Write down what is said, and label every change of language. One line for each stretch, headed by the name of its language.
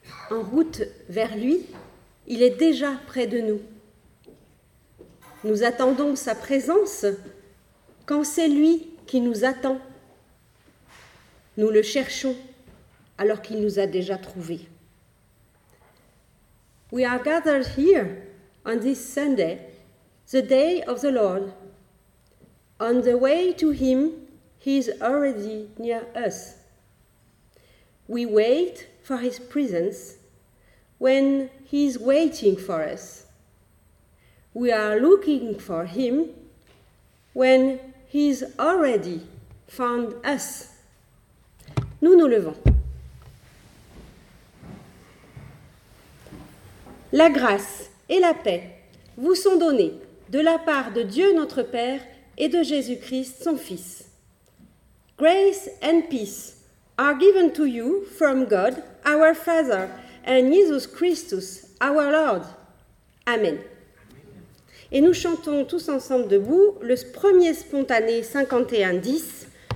French: En route vers lui, il est déjà près de nous. Nous attendons sa présence quand c'est lui qui nous attend. Nous le cherchons alors qu'il nous a déjà trouvés.
English: We are gathered here on this Sunday, the day of the Lord. On the way to him, he is already near us. We wait for his presence when he is waiting for us. We are looking for him when he is already found us.
French: Nous nous levons. La grâce et la paix vous sont données de la part de Dieu notre Père et de Jésus-Christ son Fils.
English: Grace and peace are given to you from God, our Father, and Jesus Christus, our Lord. Amen.
French: Et nous chantons tous ensemble debout le premier spontané 51-10.